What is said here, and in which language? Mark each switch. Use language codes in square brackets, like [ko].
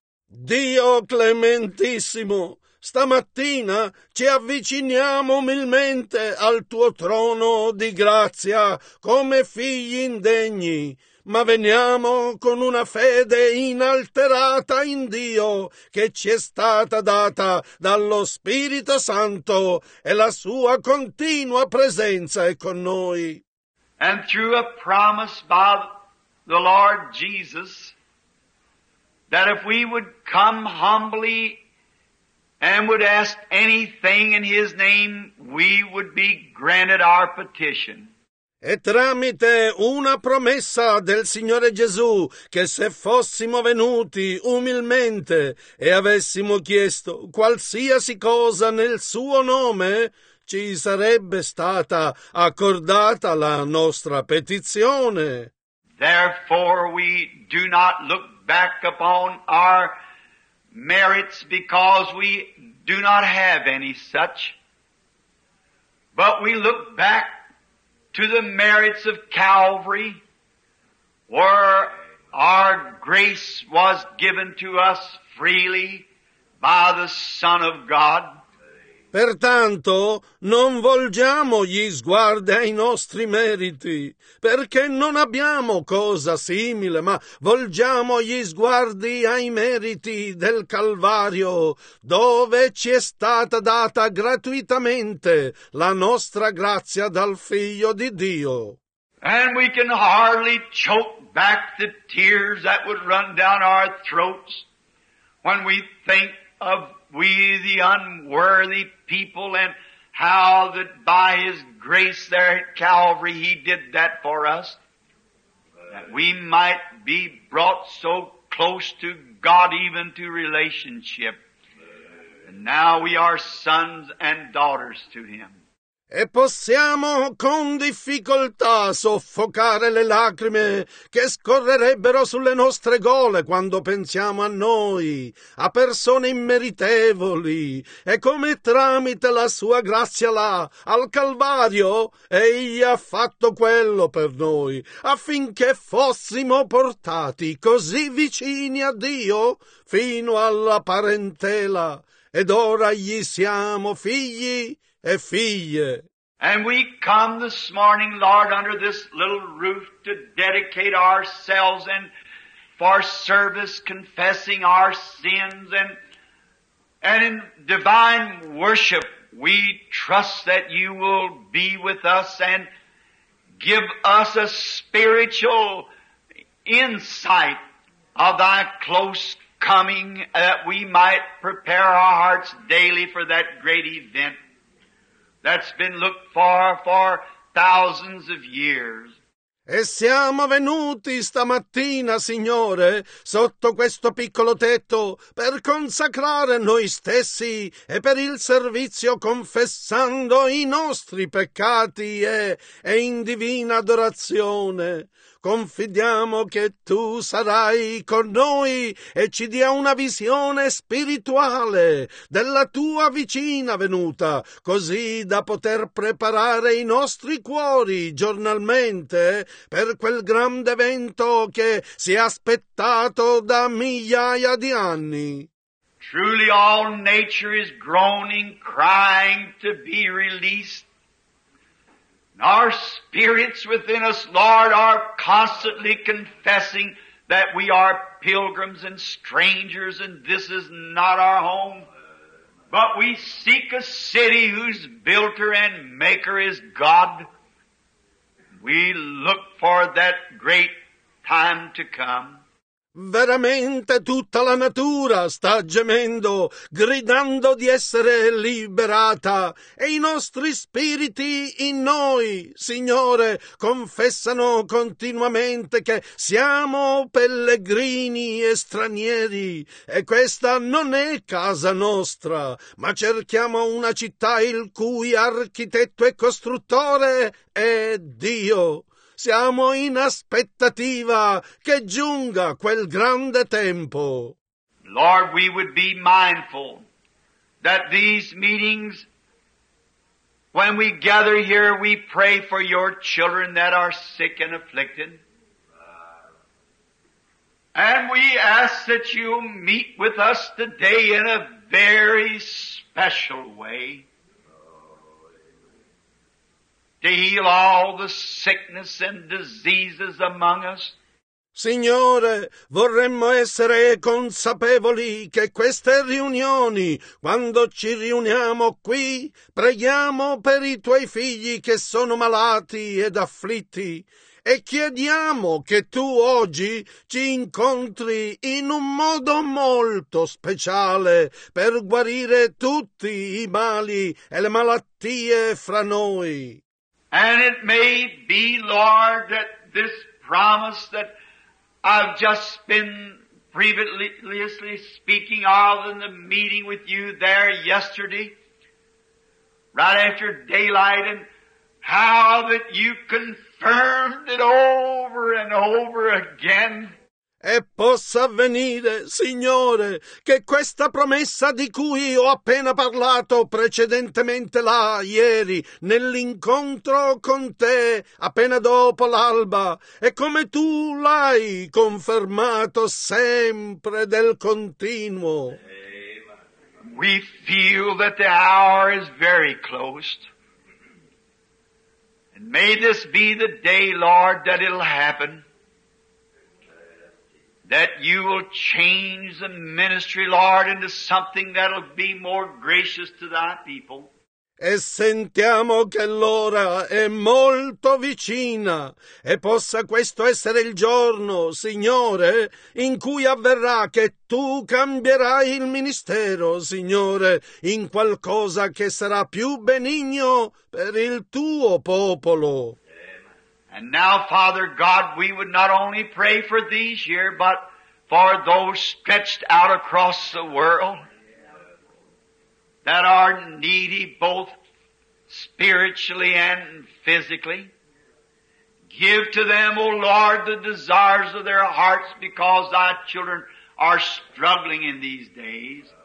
[it] Dio clementissimo, stamattina ci avviciniamo umilmente al tuo trono di grazia come figli indegni, ma veniamo con una fede inalterata in Dio che ci è stata data dallo Spirito Santo e la sua continua presenza è con noi. [en] And through a promise by the Lord Jesus that if we would come humbly and would ask anything in His name, we would be granted our petition. [it] E tramite una promessa del Signore Gesù, che se fossimo venuti umilmente e avessimo chiesto qualsiasi cosa nel Suo nome, ci sarebbe stata accordata la nostra petizione. [en] Therefore we do not look back upon our merits because we do not have any such, but we look back to the merits of Calvary, where our grace was given to us freely by the Son of God. [it] Pertanto, non volgiamo gli sguardi ai nostri meriti, perché non abbiamo cosa simile, ma volgiamo gli sguardi ai meriti del Calvario, dove ci è stata data gratuitamente la nostra grazia dal Figlio di Dio. [en] And we can hardly choke back the tears that would run down our throats when we think of we the unworthy people and how that by His grace there at Calvary He did that for us, that we might be brought so close to God even to relationship. And now we are sons and daughters to Him. [it] E possiamo con difficoltà soffocare le lacrime che scorrerebbero sulle nostre gole quando pensiamo a noi, a persone immeritevoli, e come tramite la sua grazia là, al Calvario, egli ha fatto quello per noi, affinché fossimo portati così vicini a Dio fino alla parentela, ed ora gli siamo figli. E figlie. [en] And we come this morning, Lord, under this little roof to dedicate ourselves and for service, confessing our sins and in divine worship, we trust that you will be with us and give us a spiritual insight of thy close coming, that we might prepare our hearts daily for that great event. That's been looked for thousands of years. [it] E siamo venuti stamattina, Signore, sotto questo piccolo tetto, per consacrare noi stessi e per il servizio confessando i nostri peccati e in divina adorazione. Confidiamo che tu sarai con noi e ci dia una visione spirituale della tua vicina venuta, così da poter preparare i nostri cuori giornalmente per quel grande evento che si è aspettato da migliaia di anni. [en] Truly all nature is groaning, crying to be released. Our spirits within us, Lord, are constantly confessing that we are pilgrims and strangers and this is not our home. But we seek a city whose builder and maker is God. We look for that great time to come. [it] Veramente tutta la natura sta gemendo, gridando di essere liberata, e i nostri spiriti in noi, Signore, confessano continuamente che siamo pellegrini e stranieri, e questa non è casa nostra, ma cerchiamo una città il cui architetto e costruttore è Dio. Siamo in aspettativa che giunga quel grande tempo. [en] Lord, we would be mindful that these meetings, when we gather here, we pray for your children that are sick and afflicted. And we ask that you meet with us today in a very special way. To heal all the sickness and diseases among us. [it] Signore, vorremmo essere consapevoli che queste riunioni, quando ci riuniamo qui, preghiamo per i tuoi figli che sono malati ed afflitti, e chiediamo che tu oggi ci incontri in un modo molto speciale per guarire tutti i mali e le malattie fra noi. [en] And it may be, Lord, that this promise that I've just been previously speaking of in the meeting with you there yesterday, right after daylight, and how that you confirmed it over and over again. [it] E possa avvenire, Signore, che questa promessa di cui ho appena parlato precedentemente là ieri, nell'incontro con te appena dopo l'alba, e come tu l'hai confermato sempre del continuo. [en] We feel that the hour is very close. And may this be the day, Lord, that it'll happen. That you will change the ministry, Lord, into something that'll be more gracious to thy people. [it] E sentiamo che l'ora è molto vicina, e possa questo essere il giorno, Signore, in cui avverrà che tu cambierai il ministero, Signore, in qualcosa che sarà più benigno per il tuo popolo. [en] And now, Father God, we would not only pray for these here, but for those stretched out across the world that are needy both spiritually and physically. Give to them, O Lord, the desires of their hearts, because thy children are struggling in these days.